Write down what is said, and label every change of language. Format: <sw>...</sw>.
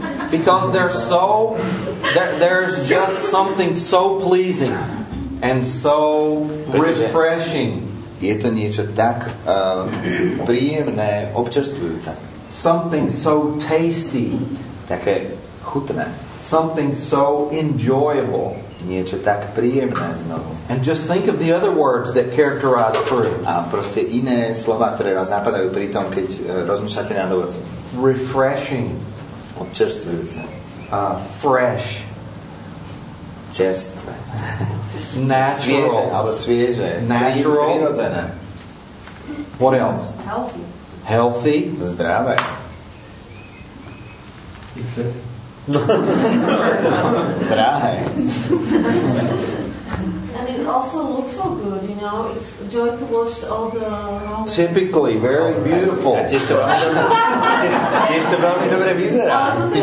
<en>Because there's just something so pleasing and so refreshing.</en> <sk>Je to niečo tak príjemné, občerstvujúce.</sk> <en>Something so tasty.</en> <sk>Také chutné.</sk> <en>Something so enjoyable.</en> <sk>Niečo tak príjemné znovu.</sk> <en>And just think of the other words that characterize fruit.</en> <sk>A proste iné slova, ktoré vás napadajú pri tom, keď rozmýšľate nad ovocím.</sk> <en>Refreshing.</en> <sk>Občerstvujúce.</sk> <en>Fresh.</en> <sk>Čerstvé.</sk> <en>Natural.</en> <sk>Svieže, alebo svieže.</sk> <en>Natural.</en> <sk>Prirodzené.</sk> <en>What else? Healthy. Healthy.</en> <sk>Zdravé. Drahé.</sk> <en>And it also looks so good, you know. It's a joy to watch all the... Typically, very beautiful.</en> <sk>Tiež to veľmi dobre vyzerá.</sk>